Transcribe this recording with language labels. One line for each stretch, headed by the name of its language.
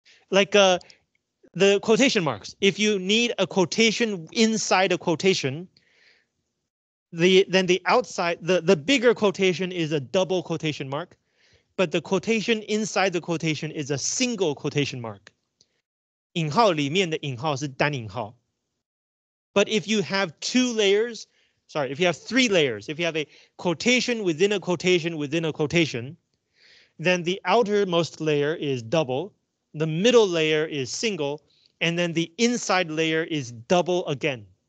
English: Like the quotation marks, if you need a quotation inside a quotation, then the outside, the bigger quotation is a double quotation mark, but the quotation inside the quotation is a single quotation mark.
Chinese: 引号里面的引号是单引号.
English: But if you have three layers, if you have a quotation within a quotation within a quotation, then the outermost layer is double, the middle layer is single, and then the inside layer is double again.